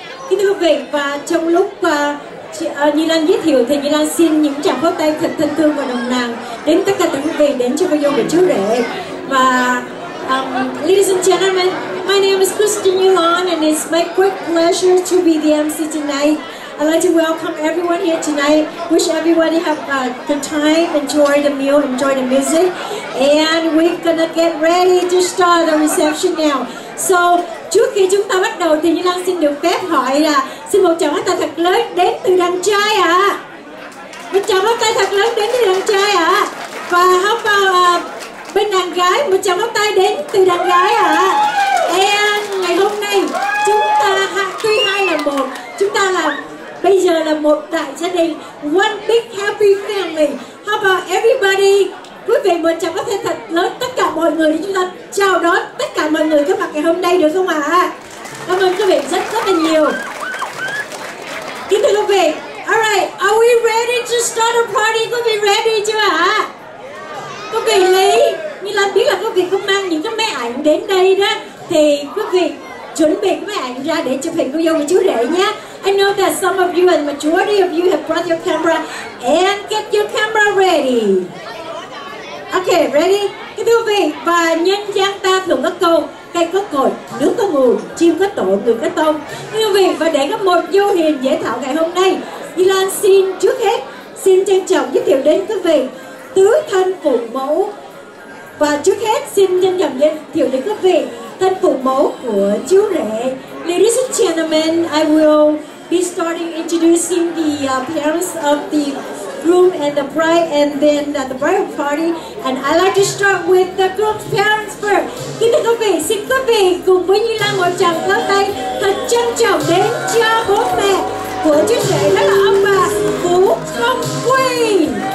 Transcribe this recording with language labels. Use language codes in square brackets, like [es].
[vi] Kính thưa quý vị, và trong lúc Nhu Lan giới thiệu thì Nhu Lan xin những tràng pháo tay thật thân thương và nồng nàn đến tất cả các quý vị đến cho video của chú rể. [en] Và ladies and gentlemen, my name is Christian Nhu Lan and it's my great pleasure to be the MC tonight. I'd like to welcome everyone here tonight. Wish everybody have a good time, enjoy the meal, enjoy the music. And we're gonna get ready to start the reception now. [vi] So, trước khi chúng ta bắt đầu thì Nhu Lan xin được phép hỏi là xin một tràng pháo tay thật lớn đến từ đàn trai ạ. Một tràng pháo tay thật lớn đến từ đàn trai ạ. Và hát vào bên đàn gái, một tràng pháo tay đến từ đàn gái ạ. And ngày hôm nay, chúng ta tuy hai là một, chúng ta là bây giờ là một đại gia đình, [en] one big happy family. How about everybody? [vi] Quý vị một chào có thể thật lớn tất cả mọi người để chúng ta chào đón tất cả mọi người có mặt ngày hôm nay được không ạ? Cảm ơn quý vị rất là nhiều. Kính thưa quý vị, [en] alright, are we ready to start a party? [vi] Quý vị ready chưa ạ? Quý vị lấy, như là biết là quý vị cũng mang những cái máy ảnh đến đây đó, thì quý vị chuẩn bị cái máy ảnh ra để chụp hình cô dâu và chú rể nhé. [en] I know that some of you and majority of you have brought your camera and get your camera ready. Okay, ready? [vi] Kính thưa quý vị, và nhân gian ta thường có câu cây có cội, nước có nguồn, chim có tổ, người có tông. Kính thưa quý vị, và để có một vô hiền dễ thảo ngày hôm nay, Nhu Lan xin trước hết xin trân trọng giới thiệu đến quý vị tứ thân phụ mẫu. Và trước hết xin trân trọng giới thiệu đến quý vị thân phụ mẫu của chú rể. [en] Ladies and gentlemen, I will be starting introducing the parents of the groom and the bride, and then the bridal party. And I like to start with the groom's parents first. [vi] Kính thưa quý vị, xin quý vị cùng với Nhu Lan một tràng pháo tay thật trân trọng đến cha bố mẹ của chú rể, đó là ông bà Vũ Công Quy.